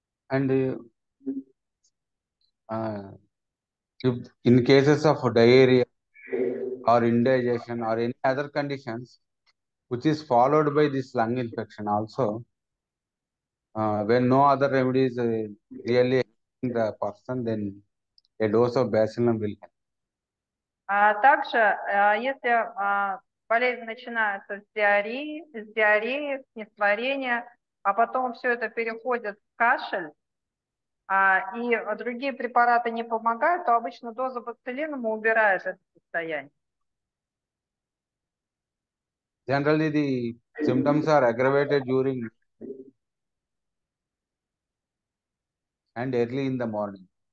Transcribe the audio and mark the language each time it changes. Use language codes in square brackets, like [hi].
[en] And if in cases of diarrhea or indigestion or any other conditions which is followed by this lung infection also, when no other remedy is really helping the person, then a dose of bacillin will help. [ru] Также, если болезнь начинается с диареи, с несварения, а потом все это переходит в кашель, и другие препараты не помогают, то обычно доза пенициллина убирает это состояние. [en] Generally, the symptoms are aggravated during and early in the morning.